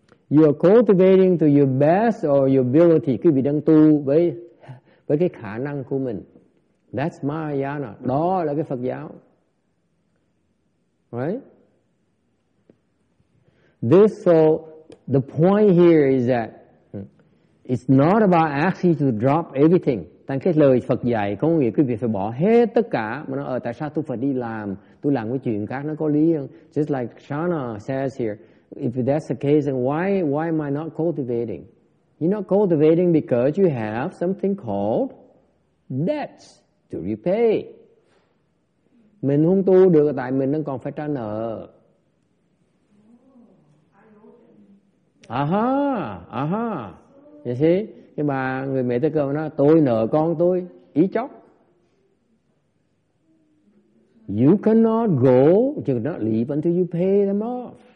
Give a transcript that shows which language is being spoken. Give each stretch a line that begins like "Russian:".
English: You are cultivating to your best or your ability.
Vietnamese: Quý vị đang tu với cái khả năng của mình.
English: That's Mahayana.
Vietnamese: Đó là cái Phật giáo.
English: Right? This, so the point here is that it's not about asking to drop everything.
Vietnamese: Tăng cái lời Phật dạy có nghĩa quý vị phải bỏ hết tất cả. Mà nó tại sao tôi phải đi làm? Tôi làm cái chuyện khác nó có lý không?
English: Just like Shana says here, if that's the case, then why am I not cultivating? You're not cultivating because you have something called debts to repay.
Vietnamese: Mình không tu được tại mình đang còn phải trả nợ. Aha, aha.
English: You see?
Vietnamese: Cái bà người mẹ tới cơ nói, tôi nợ con tôi, ý chóc.
English: You cannot go, you cannot leave until you pay them off.